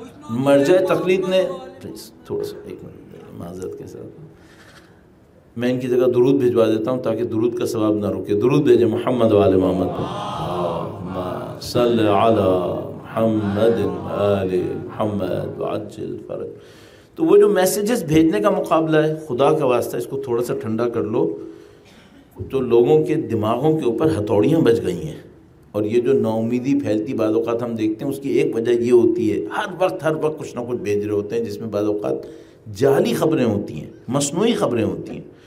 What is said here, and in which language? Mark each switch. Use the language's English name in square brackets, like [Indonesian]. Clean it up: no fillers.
[Urdu] مرجع تقلید نے، پلیز تھوڑا سا ایک منٹ، معذرت کے ساتھ میں ان کی جگہ درود بھیجوا دیتا ہوں تاکہ درود کا ثواب نہ رکے. درود بھیجے محمد والے محمد پر. [Arabic] اللهم صل على محمد آل محمد وعجل فرج. [Urdu] تو وہ جو میسیجز بھیجنے کا مقابلہ ہے خدا کا واسطہ, اس کو تھوڑا سا ٹھنڈا کر لو. تو لوگوں کے دماغوں کے اوپر ہتھوڑیاں بچ گئی ہیں, اور یہ جو ناامیدی پھیلتی بعض اوقات ہم دیکھتے ہیں, اس کی ایک وجہ یہ ہوتی ہے ہر وقت کچھ نہ کچھ بھیج رہے ہوتے ہیں, جس میں بعض اوقات جعلی خبریں ہوتی ہیں, مصنوعی خبریں ہوتی ہیں.